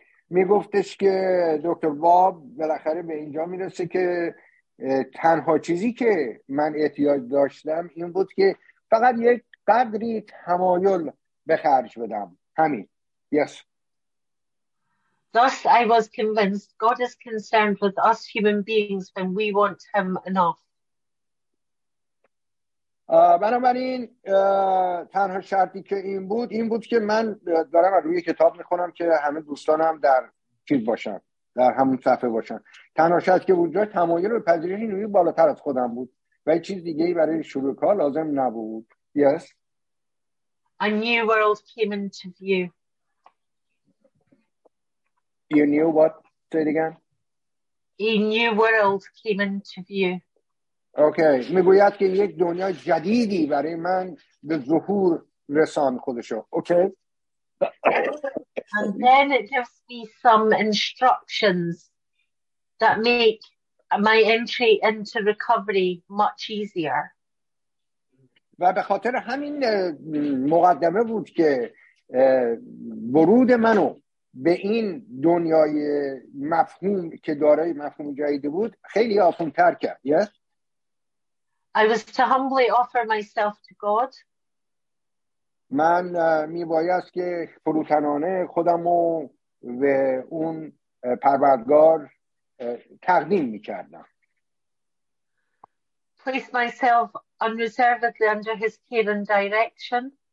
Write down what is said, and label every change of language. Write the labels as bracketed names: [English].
[Persian] می گفتش که دکتر باب بالاخره به اینجا میرسه که تنها چیزی که من احتیاج داشتم این بود که فقط یک قدری تمایل به خرج بدم. همین. Yes. [English] Thus I was convinced God is concerned with us human beings when we want him enough. [Persian] بنابراین تنها شرطی که این بود که من دارم از روی کتاب میخونم که همه دوستانم در چیز باشن، در همون صفحه باشن، تنها شرطی که وجود داشت تمایل به پذیرش نیروی بالاتر از خودم بود و یه چیز دیگه‌ای برای شروع کار لازم نبود. [English] Yes. A new world came into view. You knew what? Say it again. A new world came into view. Okay. [Persian] میگوید که یک دنیا جدیدی برای من به ظهور رساند خودشو. [English] Okay. And then it gives me some instructions that make my entry into recovery much easier. [Persian] و به خاطر همین مقدمه بود که ورود منو به این دنیای مفهوم که دارای مفهوم جدیدی بود خیلی آسان تر کرد. [English] یه yes? I was to humbly offer myself to God. [Persian] من میبایست که فروتنانه خودمو به اون پروردگار تقدیم میکردم. [English] Place myself unreservedly under his care and direction.